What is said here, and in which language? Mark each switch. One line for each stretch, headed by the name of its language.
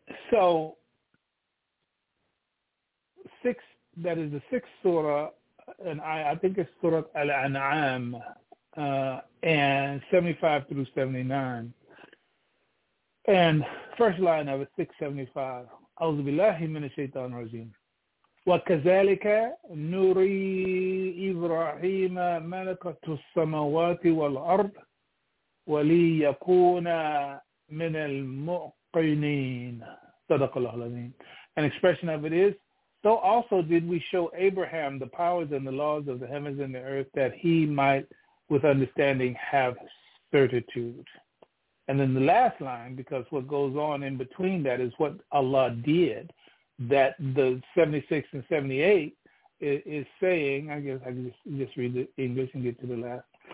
English: So six, that is the sixth surah, and I think it's Surah Al-An'am, and 75 through 79. And first line of it, 675.
Arabic: أعوذ بالله من الشيطان الرجيم وكذلك نري إبراهيم ملكة السماوات والأرض وليكون من الموقنين صدق الله العظيم.
English: An expression of it is, so also did we show Abraham the powers and the laws of the heavens and the earth that he might with understanding have certitude. And then the last line, because what goes on in between that is what Allah did, that the 76 and 78 is saying, I guess I can just read the English and get to the last.